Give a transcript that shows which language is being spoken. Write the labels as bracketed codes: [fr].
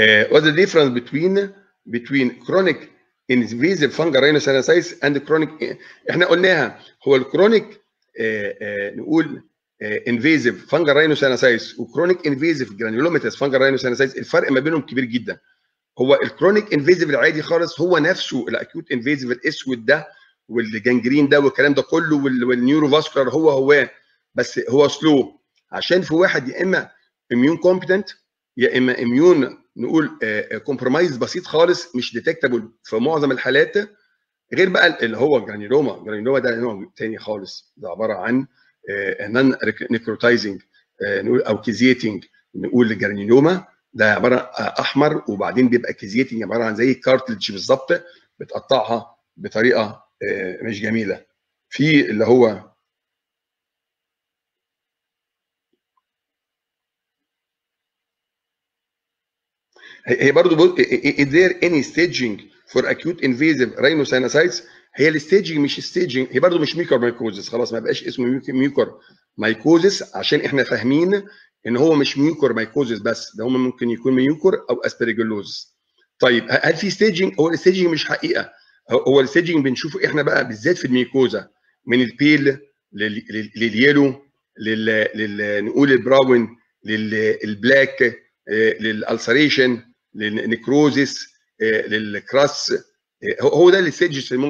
[en] What's the difference between chronic invasive fungal rhinosinusitis and chronic؟ [ar] احنا قلناها، هو الكرونيك نقول invasive fungal rhinosinusitis وchronic invasive granulomatous fungal rhinosinusitis الفرق ما بينهم كبير جدا. هو الكرونيك انفيزيف العادي خالص هو نفسه الاكيوت انفيزيف الاسود ده، والجنجرين ده والكلام ده كله والنيوروفاسكولار هو هو بس هو سلو عشان في واحد يا اما اميون كومبتنت يا اما اميون نقول كومبرومايز بسيط خالص مش ديتكتبل في معظم الحالات غير بقى اللي هو جرانيلوما. جرانيلوما ده نوع تاني خالص ده عباره عن نان نيكروتايزنج نقول او كيزيتنج نقول الجرانيلوما ده عباره احمر وبعدين بيبقى كيزيتنج عباره عن زي كارتلج بالظبط بتقطعها بطريقه مش جميله. في اللي هو هي برضو بقول [en] is there any staging for acute invasive rhinosinusitis. [ar] هي الستيجنج مش staging هي برضو مش ميكور مايكوزيس خلاص ما بقاش اسمه ميكور مايكوزيس عشان احنا فاهمين ان هو مش ميكور مايكوزيس بس ده هم ممكن يكون ميكور او اسبرجيلوزيس. طيب هل في staging؟ هو الستيجنج مش حقيقة هو الستيجنج بنشوفه احنا بقى بالذات في الميكوزا من البيل لليلو لل نقول البراون للبلاك للالسريشن للنكروزيس للكراس هو ده الستيجز.